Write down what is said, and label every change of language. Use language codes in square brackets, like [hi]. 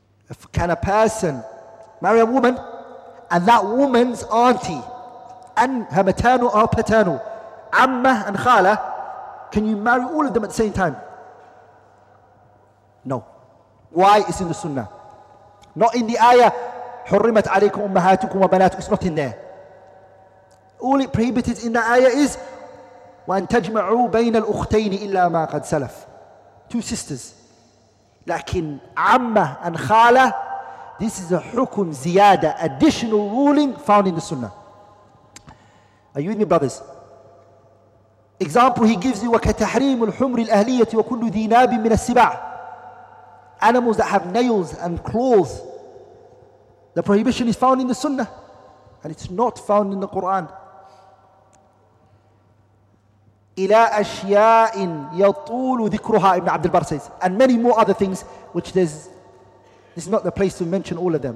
[en] If can a person marry a woman and that woman's auntie and her maternal or paternal, amma and khala, can you marry all of them at the same time? No. Why? It's in the sunnah. Not in the ayah, [ar] حُرِّمَتْ عَلَيْكُمْ أُمَّهَاتُكُمْ وَبَنَاتُكُمْ. [en] It's not in there. All it prohibited in that ayah is [ar] وَأَن تَجْمَعُوا بَيْنَ الْأُخْتَيْنِ إِلَّا مَا قَدْ سَلَفْ. [en] Two sisters. لكن عَمَّة and خَالَة, this is a [ar] حُكُم زِيَادَة, [en] additional ruling found in the sunnah. Are you with me, brothers? Example he gives you, [ar] وَكَتَحْرِيمُ الْحُمْرِ الْأَهْلِيَّةِ وَكُلُّ ذِينَابٍ مِنَ السِّبَعِ. [en] Animals that have nails and claws. The prohibition is found in the sunnah. And it's not found in the Quran. [ar] إِلَىٰ أَشْيَاءٍ يَطُولُ ذِكْرُهَا. [en] Ibn Abdul Barr says. And many more other things, which there's, this is not the place to mention all of them.